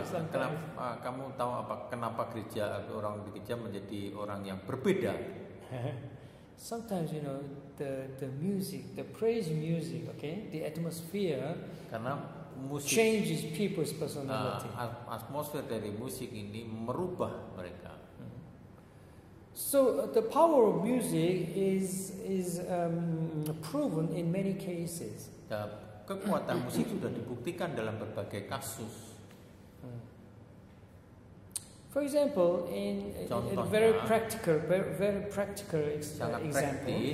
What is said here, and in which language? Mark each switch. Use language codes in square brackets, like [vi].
[id] Kenapa kamu tahu apa kenapa gereja atau orang di gereja menjadi orang yang berbeda? [en] Sometimes you know the music, the praise music, okay, the atmosphere. [id] Karena musik [en] changes people's personality. [id] Atmosfer dari musik ini merubah mereka. [en] So the power of music is proven in many cases. [id] Kekuatan musik sudah dibuktikan dalam berbagai kasus. [en] For example, in [id] contohnya, [en] a very practical, very practical example.